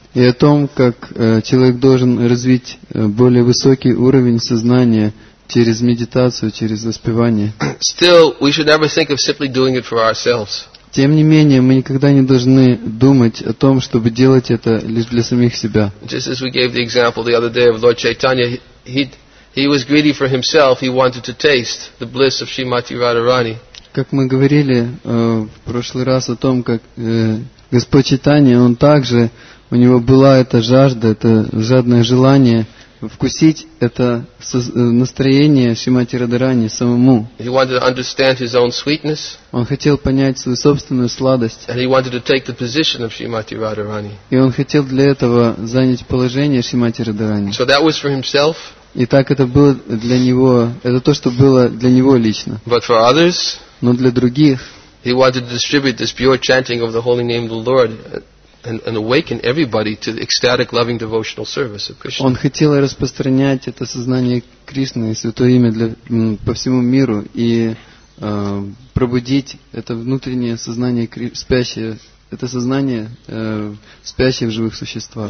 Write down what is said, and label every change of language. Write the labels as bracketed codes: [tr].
[ru] И о том, как человек должен развить более высокий уровень сознания через медитацию, через воспевание. [en] Still, we should never think of simply doing it for ourselves. [ru] Тем не менее, мы никогда не должны думать о том, чтобы делать это лишь для самих себя. [en] Just as we gave the example the other day of Lord Chaitanya, he was greedy for himself. He wanted to taste the bliss of Srimati Radharani. [ru] Как мы говорили в прошлый раз о том, как Господь Чайтанья, он также, у него была эта жажда, это жадное желание вкусить это настроение Шримати Радарани самому. [en] He wanted to understand his own sweetness. [ru] Он хотел понять свою собственную сладость. [en] And he wanted to take the position of Shrimati Radharani. [ru] И он хотел для этого занять положение Шримати Радарани. [en] So that was for himself. [ru] И так это было для него, это то, что было для него лично. [en] But for others, [ru] но для других, [en] he wanted to distribute this pure chanting of the holy name of the Lord and awaken everybody to the ecstatic loving devotional service of Krishna. [ru] Он хотел распространять это сознание Кришны, святое имя для по всему миру и пробудить это внутреннее сознание спящее. Это сознание спящих в живых существах.